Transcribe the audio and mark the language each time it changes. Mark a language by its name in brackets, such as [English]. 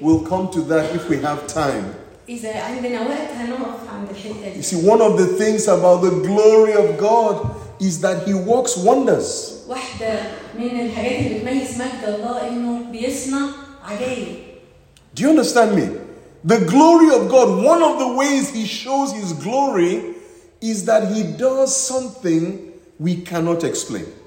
[English] We'll come to that if we have time. [Arabic] إذا عندنا وقت هنقف عند الحتة دي. [English] You see, one of the things about the glory of God is that He works wonders. [Arabic] واحدة من الحاجات اللي بتميز مجد الله إنه بيصنع عجائب. [English] Do you understand me? The glory of God, one of the ways He shows His glory is that He does something we cannot explain.